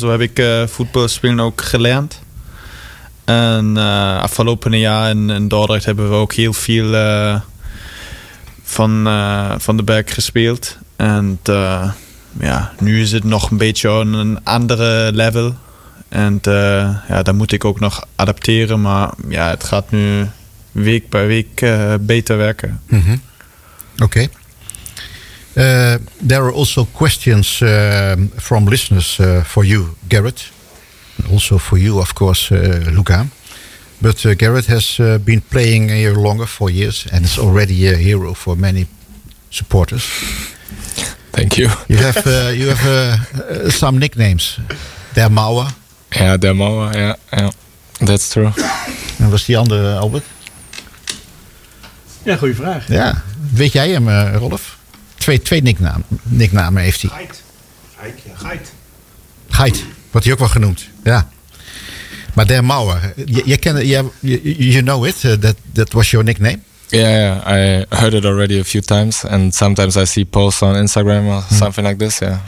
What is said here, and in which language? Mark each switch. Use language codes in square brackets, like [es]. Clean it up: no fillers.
[nl] Zo heb ik voetbalspelen ook geleerd. En afgelopen jaar in Dordrecht hebben we ook heel veel van de back gespeeld. En nu is het nog een beetje een andere level. En daar moet ik ook nog adapteren. Maar ja, het gaat nu week bij week beter werken. Mm-hmm. Oké. Okay. [en] There are also questions from listeners for you, Garrett. Also for you, of course, Luca. But Garrett has been playing here longer, 4 years, and is already a hero for many supporters. Thank you. You have some nicknames. Der Mauer. Yeah, Der Mauer, yeah. That's true. And was the other, Albert? [nl] Ja, goede vraag. Ja. Weet jij hem, Rolf? Twee nicknamen heeft hij. Geit, wordt hij ook wel genoemd, ja. Maar [en] Der Mauer, you know it, that was your nickname? Yeah, I heard it already a few times and sometimes I see posts on Instagram or something like this, yeah.